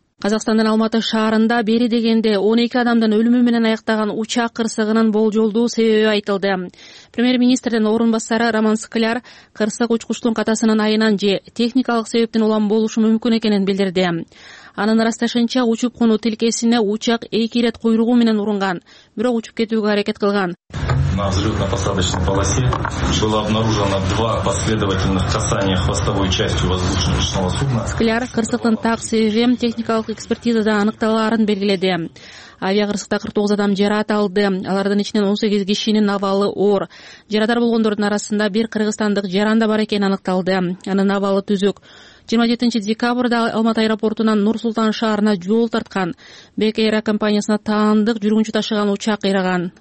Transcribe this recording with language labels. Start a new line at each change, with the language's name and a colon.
Kyrgyz: Казакстандын Алматы шаарында бери дегенде 12 адамдын өлүмү менен аяктаган учак кырсыгынын болжолдуу себеби айтылды. Премьер-министрдин орун басары Роман Скляр кырсык учкучтун катасынын айынан же техникалык себептен улам болушу мүмкүн экенин билдирди. Анын ырасташынча учуп конуу тилкесине учак 2 ирет куйругу менен урунган, бирок учуп кетүүгө аракет кылган.
Russian: На взлетно-посадочной полосе было обнаружено два последовательных касания хвостовой частью воздушно-ручного судна.
Kyrgyz: Скляр кырсыктын так себеби техникалык экспертизада аныкталаарын белгиледи. Авиакырсыкта 49 адам жарат алды. Алардын ичинен 18 кишинин абалы оор. Жарадар болгондордун арасында бир кыргызстандык жаранда бар экени аныкталды. Анын абалы түзүк. 27 декабрда Алматы аэропортунан Нур Султан шаарына жол тарткан Бек Эйр компаниясына таандык жүргүнчү ташыган учак кыйраган.